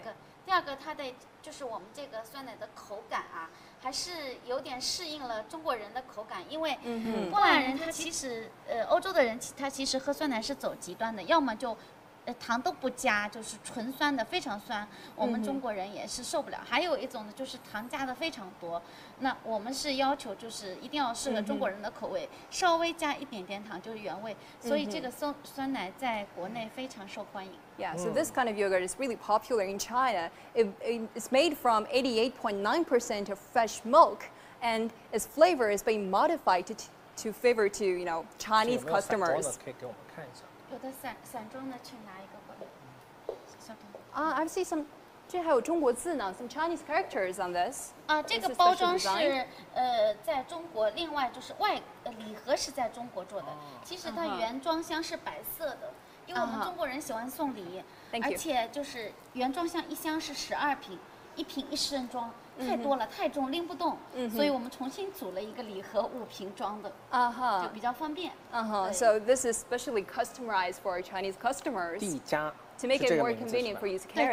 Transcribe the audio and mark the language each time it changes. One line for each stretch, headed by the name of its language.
Chinese: 那个、第二个它的就是我们这个酸奶的口感啊还是有点适应了中国人的口感，因为波兰人他其实欧洲的人他其实喝酸奶是走极端的，要么就糖都不加，就是纯酸的非常酸，我们中国人也是受不了。还有一种呢就是糖加的非常多，那我们是要求就是一定要适合中国人的口味，稍微加一点点糖就是原味，所以这个酸奶在国内非常受欢迎。
English: Yeah, so this kind of yogurt is really popular in China. It's made from 88.9% of fresh milk, and its flavor is being modified to favor to, you know, Chinese customers.
Chinese: 可以给我们看一下。有的散装的，请拿一个过来。
English: I've seen some
Chinese: 这还有中国字呢,
English: some Chinese characters on this.
Chinese: 这个包装是在中国另外就是外礼盒是在中国做的 其实它原装箱是白色的 因为我们中国人喜欢送礼 而且就是原装箱一箱是12瓶 一瓶一升装 太多了，太重，拎不动。所以我们重新组了一个礼盒，五瓶装的 就比较方便
English: So this is specially customized for our Chinese customers 地家 To make it more convenient for you to carry